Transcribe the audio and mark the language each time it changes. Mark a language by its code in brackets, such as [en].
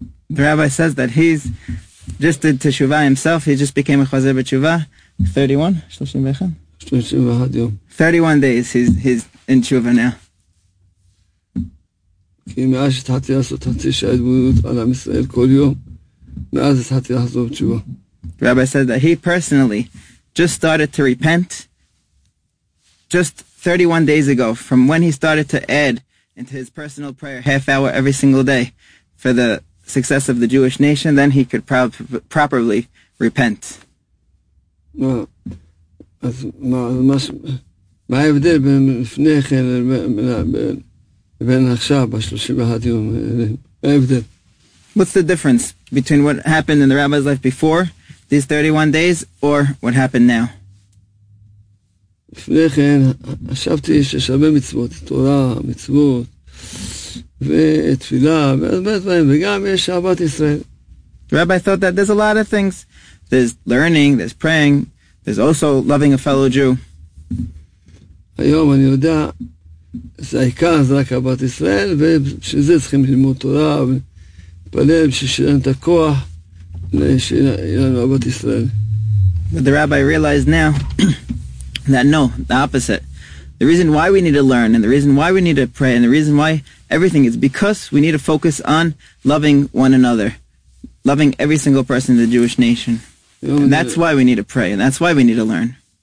[en] The rabbi says that he's just did teshuva himself, he just became a chozer b'tshuva 31 days he's in tshuva now. [he] כי מאז התחלתי לעשות חצי שעה התבוננות על עם ישראל כל יום, מאז התחלתי לחזור תשובה. [en] The rabbi says that he personally just started to repent just 31 days ago, from when he started to add into his personal prayer half hour every single day for the success of the Jewish nation, then he could properly repent. What's the difference between what happened in the rabbi's life before these 31 days or what happened now? [he] לפני כן, חשבתי שיש הרבה מצוות, תורה, מצוות, ותפילה, וגם יש אהבת ישראל. [en] The rabbi thought that there's a lot of things. There's learning, there's praying, there's also loving a fellow Jew. [he] היום אני יודע, זה העיקר, זה רק אהבת ישראל, ובשביל זה צריכים ללמוד תורה, ולהתפלל בשביל שלנו את הכוח, שיהיה לנו אהבת ישראל. [en] But the rabbi realized now, that no, the opposite. The reason why we need to learn, and the reason why we need to pray, and the reason why everything is because we need to focus on loving one another, loving every single person in the Jewish nation. And that's why we need to pray, and that's why we need to learn.